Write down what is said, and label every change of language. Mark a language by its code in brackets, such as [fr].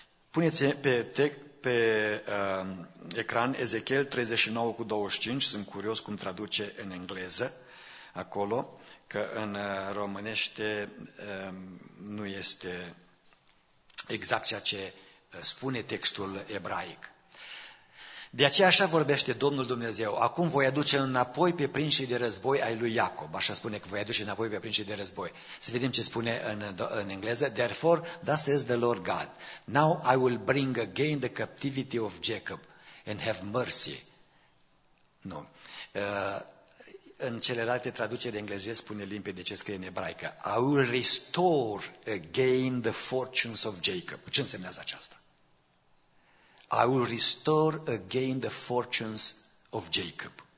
[ro] Puneți pe ecran Ezechiel 39:25, sunt curios cum traduce în engleză acolo, că în românește nu este exact ceea ce spune textul ebraic. De aceea așa vorbește Domnul Dumnezeu: acum voi aduce înapoi pe prinșii de război ai lui Iacob. Așa spune, că voi aduce înapoi pe prinșii de război. Să vedem ce spune în engleză. [en] Therefore, thus says the Lord God, now I will bring again the captivity of Jacob and have mercy. [ro] Nu. În celelalte traduceri de engleză spune limpede ce scrie în ebraică: [en] I will restore again the fortunes of Jacob. [ro] Ce înseamnă aceasta? [en] I will restore again the fortunes of Jacob.